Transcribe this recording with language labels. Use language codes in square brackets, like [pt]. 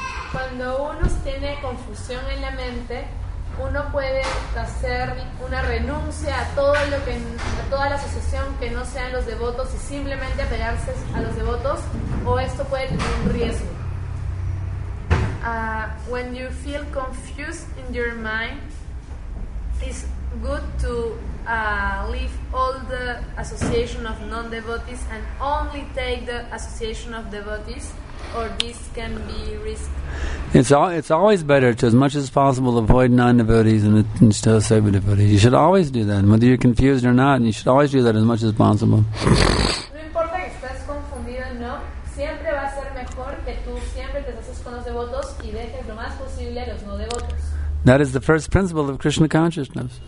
[es] Cuando uno tiene confusión en la mente, uno puede hacer una renuncia a todo lo que, a toda la asociación que no sean los devotos y simplemente apegarse a los devotos, o esto puede tener un riesgo. [en] When you feel confused in your mind, it's good to leave all the association of non-devotees and only take the association of devotees. Or this can be risked. It's always better to, as much as possible, avoid non-devotees and instead of sacred devotees. You should always do that, whether you're confused or not. You should always do that as much as possible. [es] No importa que estés confundido, no. Siempre va a ser mejor que tú siempre te haces con los devotos y dejes lo más posible a los no devotos. [en] That is the first principle of Krishna consciousness.